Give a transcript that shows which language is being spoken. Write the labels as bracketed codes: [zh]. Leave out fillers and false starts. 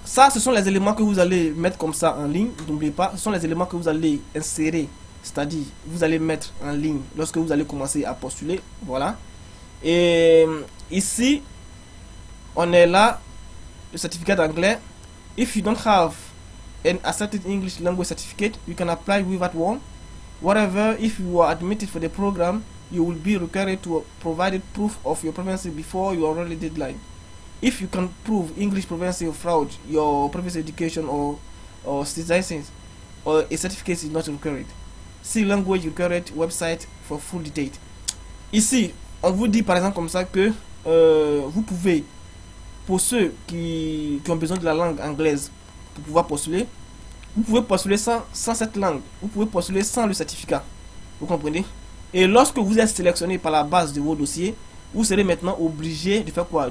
[fr] Ça, ce sont les éléments que vous allez mettre comme ça en ligne. N'oubliez pas, ce sont les éléments que vous allez insérer. C'est-à-dire, vous allez mettre en ligne lorsque vous allez commencer à postuler. Voilà. Et ici, on est là, le certificat d'anglais. [en] If you don't have an accepted English language certificate, you can apply without one. Whatever, if you are admitted for the program, you will be required to provide proof of your proficiency before your early deadline. If you can prove English proficiency or fraud, your previous education or citizenship or a certificate is not required. See language required website for full detail. [fr] Ici, on vous dit par exemple comme ça que vous pouvez, pour ceux qui ont besoin de la langue anglaise pour pouvoir postuler, vous pouvez postuler sans cette langue. Vous pouvez postuler sans le certificat. Vous comprenez? Et lorsque vous êtes sélectionné par la base de vos dossiers, vous serez maintenant obligé de faire quoi?